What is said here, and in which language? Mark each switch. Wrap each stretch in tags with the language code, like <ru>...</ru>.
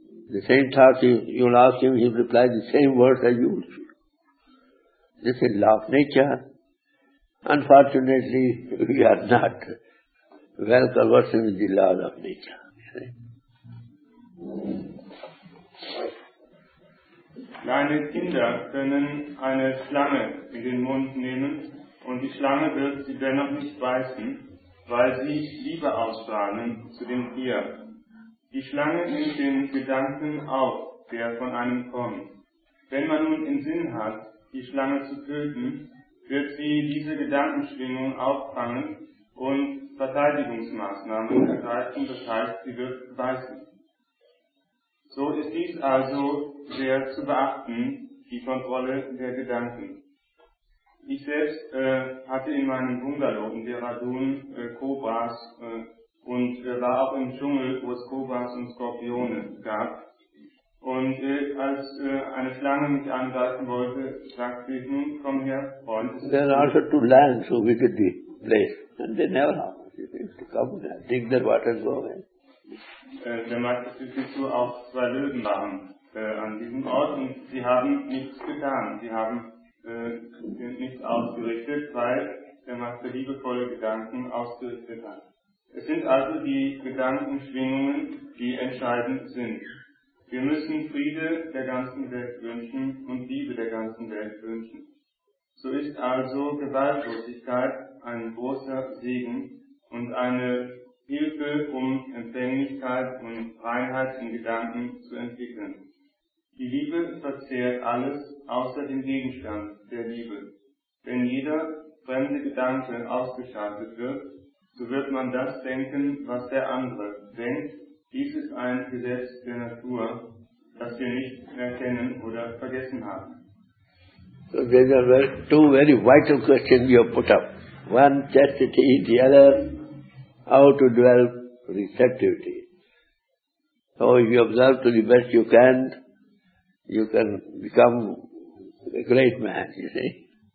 <en>The same thought you will ask him, he will reply the same words as you will feel. This is law of nature. Unfortunately, we are not well conversant with the laws of nature.</en> <de>Kleine Kinder können eine Schlange in den Mund nehmen und die Schlange wird sie dennoch nicht beißen, weil sie Liebe ausstrahlen zu dem Tier. Die Schlange nimmt den Gedanken auf, der von einem kommt. Wenn man nun im Sinn hat, die Schlange zu töten, wird sie diese Gedankenschwingung auffangen und Verteidigungsmaßnahmen ergreifen, das heißt, sie wird beißen. So ist dies also sehr zu beachten, die Kontrolle der Gedanken. Ich selbst hatte in meinem Bungalow in Dehradun Kobras und war auch im Dschungel, wo es Kobras und Skorpione gab. Und als eine Schlange mich angreifen wollte, sagte ich, nun, komm her, Freund.</de> <en>There are also two lions who visit the place, and they never have. They used to come there, dig their water, go away.</en> <de>Der Meister sagte, du auch zwei Löwen waren an diesem Ort, und sie haben nichts getan. Sie haben nichts ausgerichtet, weil der Meister liebevolle Gedanken ausgerichtet hat. Es sind also die Gedankenschwingungen, die entscheidend sind. Wir müssen Friede der ganzen Welt wünschen und Liebe der ganzen Welt wünschen. So ist also Gewaltlosigkeit ein großer Segen und eine Hilfe, um Empfänglichkeit und Reinheit in Gedanken zu entwickeln. Die Liebe verzehrt alles außer dem Gegenstand der Liebe. Wenn jeder fremde Gedanke ausgeschaltet wird, so wird man das denken, was der andere denkt. Dies ist ein Gesetz der Natur, das wir nicht erkennen oder vergessen haben.</de> <en>So these are two very vital questions you have put up. One, chastity, the other, how to dwell receptivity. So if you observe to the best you can become a great man, you see.</en>